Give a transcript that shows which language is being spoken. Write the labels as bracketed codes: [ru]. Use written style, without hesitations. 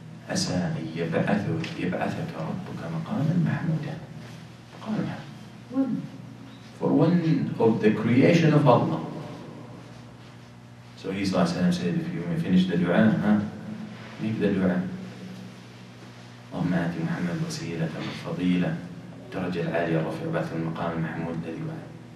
[ar] عسى أن يبعثك ربك مقاما محمودا. مقام محمود. [en] For one of the creation of Allah. So he صلى الله عليه وسلم said, if you may finish the dua, make the dua. [ar] اللهم آت محمد وسيلة وفضيلة. درجة العالية رفع بعث المقام المحمود الذي وعد.